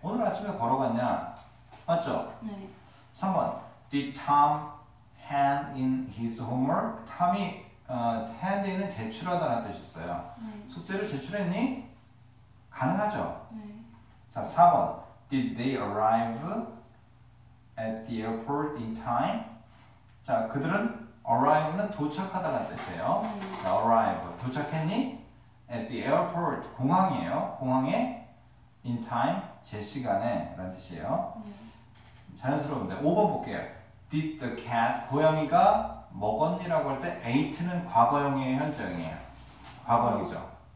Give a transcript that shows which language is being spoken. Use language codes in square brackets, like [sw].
[ko] 오늘 아침에 걸어갔냐? 맞죠? 네. [en] 3번, Did Tom hand in his homework? [ko] Tom이 hand에는 제출하다는 뜻이 있어요. 네. 숙제를 제출했니? 가능하죠? 네. 자, 4번. [en] Did they arrive at the airport in time? [ko] 자, 그들은 arrive는 도착하다는 뜻이에요. 네. [en] 자, arrive. [ko] 도착했니? [en] At the airport. 공항이에요. [ko] 공항에 in time. 제 시간에. 라는 뜻이에요. 네. 자연스러운데. 5번 볼게요. Did the cat, 고양이가 먹었니라고 할 때 ate는 과거형이에요? 현재형이에요? 과거형이죠.